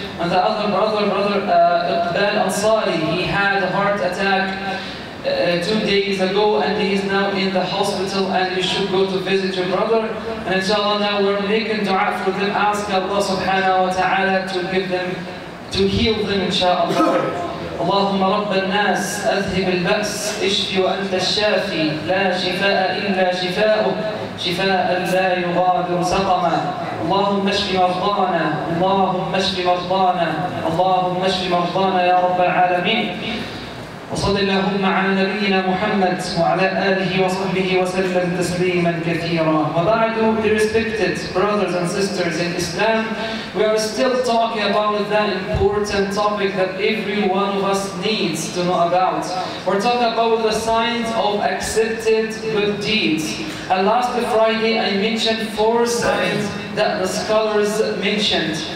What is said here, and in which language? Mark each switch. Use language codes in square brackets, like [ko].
[en] And the other brother, Iqbal Ansari, he had a heart attack 2 days ago, and he is now in the hospital, and you should go to visit your brother. And inshallah, now we're making dua for them, ask Allah subhanahu wa ta'ala to give them, to heal them inshallah. [ar] اللهم رب الناس أذهب البأس اشفي وأنت الشافي لا شفاء إلا شفاؤك شفاء لا يغادر سقما اللهم اشف مرضانا اللهم اشف مرضانا اللهم اشف مرضانا يا رب العالمين وصل اللهم على نبينا محمد وعلى آله وصحبه وسلم تسليما كثيرا. وبعد، [en] the respected brothers and sisters in Islam, we are still talking about that important topic that every one of us needs to know about. We're talking about the signs of accepted good deeds. And last Friday I mentioned 4 signs that the scholars mentioned.